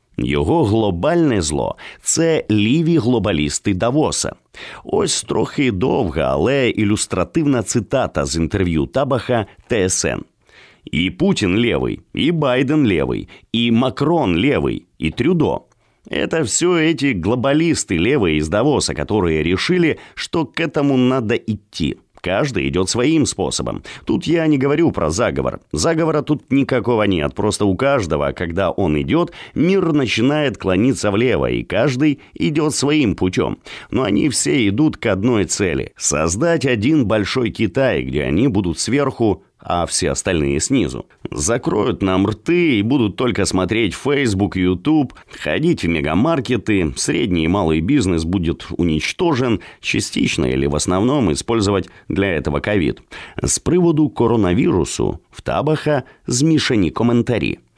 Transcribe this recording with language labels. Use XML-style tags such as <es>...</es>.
<uk>Його глобальне зло – це ліві глобалісти Давоса. Ось трохи довга, але ілюстративна цитата з інтерв'ю Табаха ТСН.</uk> <ru>«І Путін лєвий, і Байден лєвий, і Макрон лєвий, і Трюдо. Это все эти глобалисты левые из Давоса, которые решили, что к этому надо идти. Каждый идет своим способом. Тут я не говорю про заговор. Заговора тут никакого нет. Просто у каждого, когда он идет, мир начинает клониться влево, и каждый идет своим путем. Но они все идут к одной цели – создать один большой Китай, где они будут сверху, а все остальные снизу. Закроют нам рты и будут только смотреть Facebook, YouTube, ходить в мегамаркеты, средний и малый бизнес будет уничтожен, частично или в основном использовать для этого ковид.</ru> <uk>С приводу коронавирусу в Табаха змішані коментарі.</uk>